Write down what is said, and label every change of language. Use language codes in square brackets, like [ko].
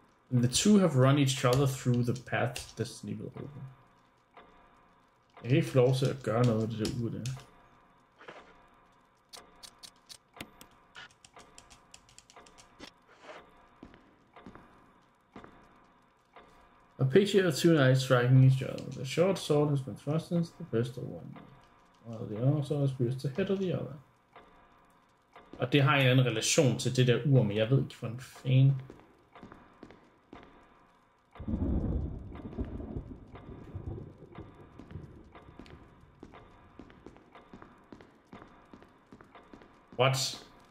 [en] And the two have run each other through the path destiny will open. [da] Jeg kan ikke få lov til at gøre noget af det der ur der. [en] A picture of two knights striking each other. The short sword has been thrust into the breast of one, while the other sword has pierced the head of the other. [da] Og det har en anden relation til det der ur, men jeg ved ikke, hvordan fanden. [en] What?